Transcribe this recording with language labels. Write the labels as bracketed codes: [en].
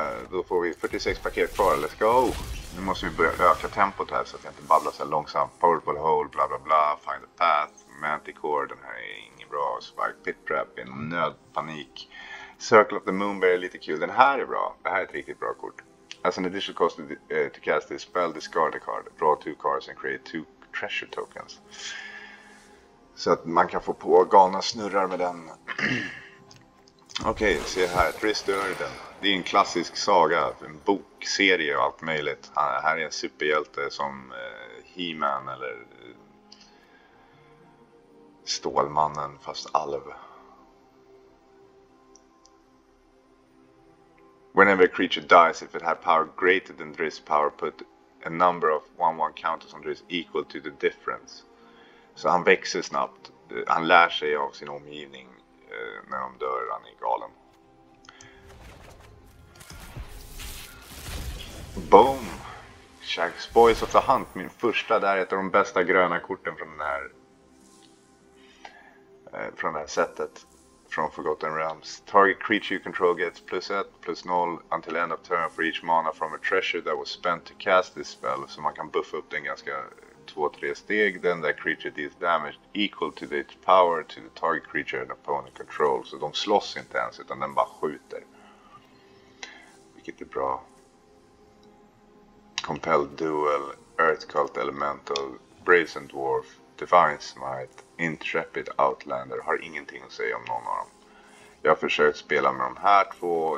[sv] Då får vi 46 paket kvar. [en] Let's go! [sv] Nu måste vi börja öka tempot här så att jag inte babblar så här långsamt. Powerful hole, bla bla bla. Find the path. Manticore, den här är ingen bra. Spike pit trap, en nödpanik. Circle of the Moonbear är lite kul. Den här är bra. Det här är ett riktigt bra kort. [en] As an additional cost to cast this spell, discard a card. Draw 2 cards and create 2 treasure tokens. [sv] Så att man kan få på galna snurrar med den. Okej, se här. Trist Örden. Det är en klassisk saga, en bokserie och allt möjligt. Här är en superhjälte som He-Man eller Stålmannen, fast alv. [en] Whenever a creature dies, if it had power greater than Driss power, put a number of 1-1 counters on Driss equal to the difference. [sv] Så han växer snabbt. Han lär sig av sin omgivning när de dör. Han är galen. Boom! Shaxx Boys of the Hunt, min första. Det är ett av de bästa gröna korten från det här setet. [en] From Forgotten Realms. Target creature you control gets +1/+0 until end of turn for each mana from a treasure that was spent to cast this spell. [sv] Så man kan buffa upp den ganska 2-3 steg. [en] Then that creature deals damage equal to its power to the target creature and opponent control. [sv] Så de slåss inte ens utan den bara skjuter. Vilket är bra. Compelled Duel, Earth Cult Elemental, Brazen Dwarf, Divine Smite, Intrepid Outlander. Har ingenting att säga om någon av dem. Jag har försökt spela med de här två.